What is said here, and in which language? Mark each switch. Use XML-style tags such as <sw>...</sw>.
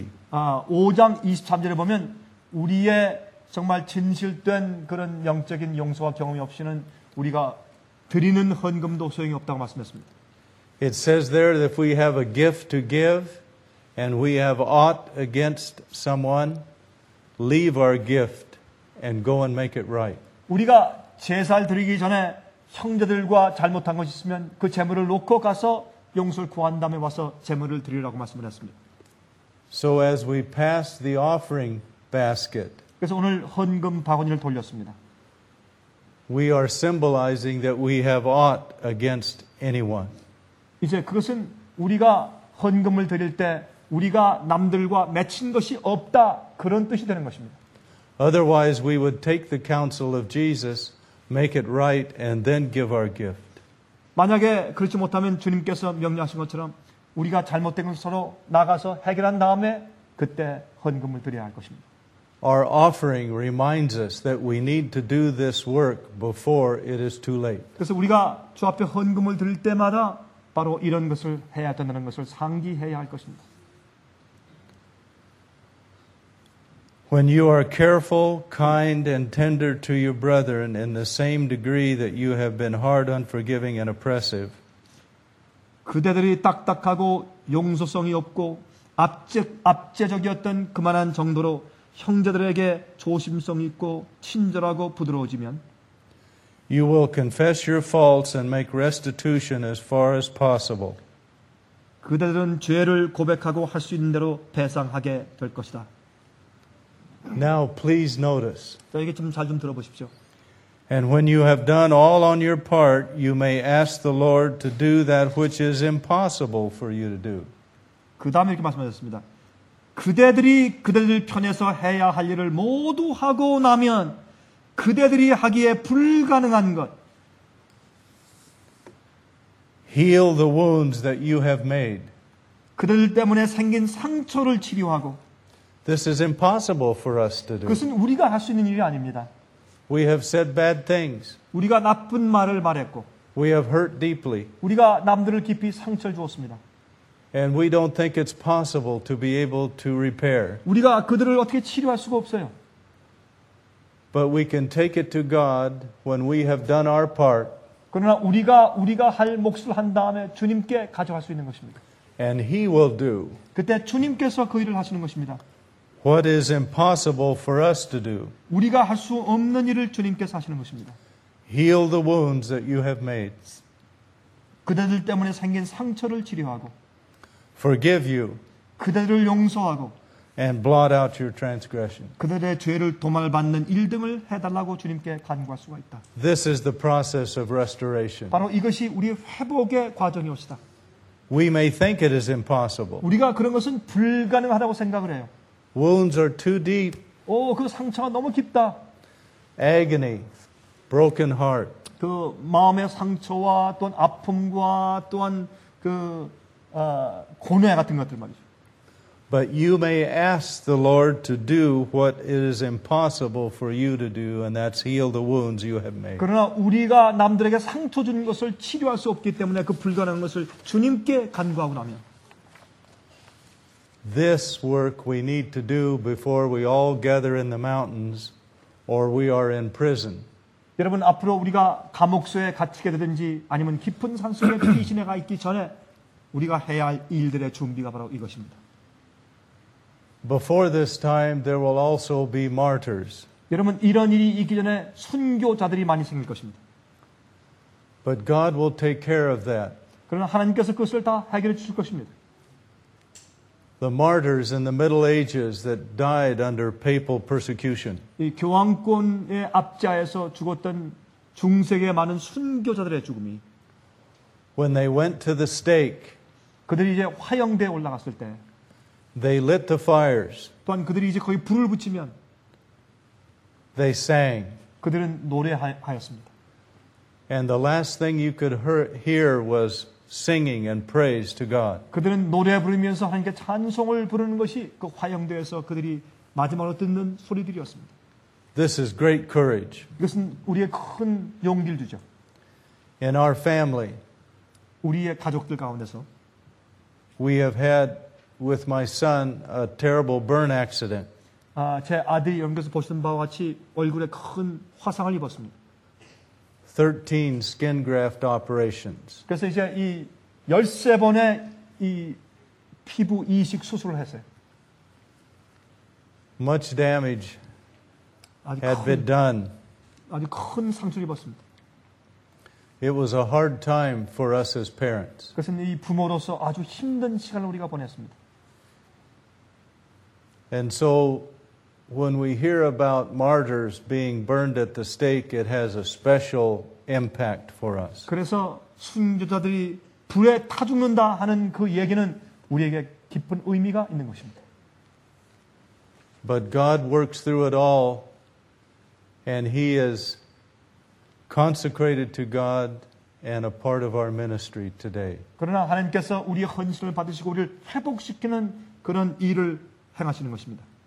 <ko>5장 23절에 보면 우리의 정말 진실된 그런 영적인 용서와 경험이 없이는 우리가 드리는 헌금도 소용이 없다고 말씀했습니다.</ko> <en>It says there that if we have a gift to give and we have aught against someone, leave our gift and go and make it right.</en> <ko>우리가 제사를 드리기 전에 형제들과 잘못한 것이 있으면 그 재물을 놓고 가서 용서를 구한 다음에 와서 재물을 드리라고 말씀을 했습니다.</ko> <en>So as we pass the offering basket,</en> <ko>그래서 오늘 헌금 바구니를 돌렸습니다.</ko> <en>We are symbolizing that we have aught against anyone.</en> <ko>이제 그것은 우리가 헌금을 드릴 때 우리가 남들과 맺힌 것이 없다 그런 뜻이 되는 것입니다.</ko> <en>Otherwise we would take the counsel of Jesus, make it right and then give our gift.</en> <ko>만약에 그렇지 못하면 주님께서 명령하신 것처럼 우리가 잘못된 것을 서로 나가서 해결한 다음에 그때 헌금을 드려야 할 것입니다.</ko> <en>Our offering reminds us that we need to do this work before it is too late.</en> <ko>그래서 우리가 주 앞에 헌금을 드릴 때마다 바로 이런 것을 해야 된다는 것을 상기해야 할 것입니다.</ko> <en>When you are careful, kind, and tender to your brethren in the same degree that you have been hard, unforgiving, and oppressive,</en> <ko>그대들이 딱딱하고 용서성이 없고 압제적이었던 그만한 정도로 형제들에게 조심성 있고 친절하고 부드러워지면,</ko> <en>you will confess your faults and make restitution as far as possible.</en> <ko>그대들은 죄를 고백하고 할 수 있는 대로 배상하게 될 것이다.</ko> <en>Now please notice.</en> <ko>자, 이게 좀 잘 좀 들어보십시오.</ko> <en>And when you have done all on your part, you may ask the Lord to do that which is impossible for you to do.</en> <ko>그 다음에 이렇게 말씀하셨습니다. 그대들이 그대들 편에서 해야 할 일을 모두 하고 나면 그대들이 하기에 불가능한 것.</ko> <en>Heal the wounds that you have made.</en> <ko>그들 때문에 생긴 상처를 치료하고.</ko> <en>This is impossible for us to do.</en> <ko>그것은 우리가 할 수 있는 일이 아닙니다.</ko> <en>We have said bad things.</en> <ko>우리가 나쁜 말을 말했고.</ko> <en>We have hurt deeply.</en> <ko>우리가 남들을 깊이 상처를 주었습니다.</ko> <en>And we don't think it's possible to be able to repair.</en> <ko>우리가 그들을 어떻게 치료할 수가 없어요.</ko> <en>But we can take it to God when we have done our part.</en> <ko>그러나 우리가 할 몫을 한 다음에 주님께 가져갈 수 있는 것입니다.</ko> <en>And He will do.</en> <ko>그때 주님께서 그 일을 하시는 것입니다.</ko> <en>What is impossible for us to do?</en> <ko>우리가 할 수 없는 일을 주님께서 하시는 것입니다.</ko> <en>Heal the wounds that you have made.</en> <ko>그대들 때문에 생긴 상처를 치료하고.</ko> <en>Forgive you.</en> <ko>그대들을 용서하고.</ko> <en>And blot out your transgression.</en> <ko>그들의 죄를 도말받는 일 등을 해달라고 주님께 간구할 수가 있다.</ko> <en>This is the process of restoration.</en> <ko>바로 이것이 우리의 회복의 과정이 옵시다.</ko> <en>We may think it is impossible.</en> <ko>우리가 그런 것은 불가능하다고 생각을 해요.</ko> <en>Wounds are too deep.</en> <ko>오, 그 상처가 너무 깊다.</ko> <en>Agony, broken heart.</en> <ko>그 마음의 상처와 또한 아픔과 또한 그 고뇌 같은 것들 말이죠.</ko> <en>But you may ask the Lord to do what is impossible for you to do, and that's heal the wounds you have made.</en> <ko>그러나 우리가 남들에게 상처 주는 것을 치료할 수 없기 때문에 그 불가능한 것을 주님께 간구하고 나면,</ko> <en>this work we need to do before we all gather in the mountains, or we are in prison.</en> <ko>여러분 앞으로 우리가 감옥소에 갇히게 되든지 아니면 깊은 산속에 피신해가 있기 전에 우리가 해야 할 일들의 준비가 바로 이것입니다.</ko> <en>Before this time, there will also be martyrs.</en> <ko>여러분 이런 일이 있기 전에 순교자들이 많이 생길 것입니다.</ko> <en>But God will take care of that.</en> <ko>그러나 하나님께서 그것을 다 해결해 주실 것입니다.</ko> <en>The martyrs in the Middle Ages that died under papal persecution.</en> <ko>이 교황권의 압제에서 죽었던 중세계 많은 순교자들의 죽음이.</ko> <en>When they went to the stake.</en> <ko>그들이 이제 화형대에 올라갔을 때.</ko> <en>They lit the fires.</en> <ko>또한 그들이 이제 거기 불을 붙이면.</ko> <en>They sang.</en> <ko>그들은 노래하였습니다.</ko> <en>And the last thing you could hear was singing and praise to God.</en> <ko>그들은 노래 부르면서 하나님께 찬송을 부르는 것이 그 화형대에서 그들이 마지막으로 듣는 소리들이었습니다.</ko> <en>This is great courage.</en> <ko>이것은 우리의 큰 용기를 주죠.</ko> <en>In our family,</en> <ko>우리의 가족들 가운데서,</ko> <en>we have had with my son a terrible burn accident.</en> <ko>아, 제 아들이 여러분께서 보시는 바와 같이 얼굴에 큰 화상을 입었습니다.</ko> <en>13 skin graft operations.</en> <ko>그래서 이제 이 13번의 이 피부 이식 수술을 했어요.</ko> <en>Much damage had been done.</en> <ko>아주 큰 상처를 입었습니다.</ko> <en>It was a hard time for us as parents.</en> <ko>그것은 이 부모로서 아주 힘든 시간을 우리가 보냈습니다.</ko> <en>And so when we hear about martyrs being burned at the stake, it has a special impact for us.</en> <ko>그래서 순교자들이 불에 타 죽는다 하는 그 얘기는 우리에게 깊은 의미가 있는 것입니다.</ko> <en>But God works through it all, and He is consecrated to God and a part of our ministry today.</en> <ko>그러나 하나님께서 우리의 헌신을 받으시고 우리를 회복시키는 그런 일을 행하시는 것입니다.</ko>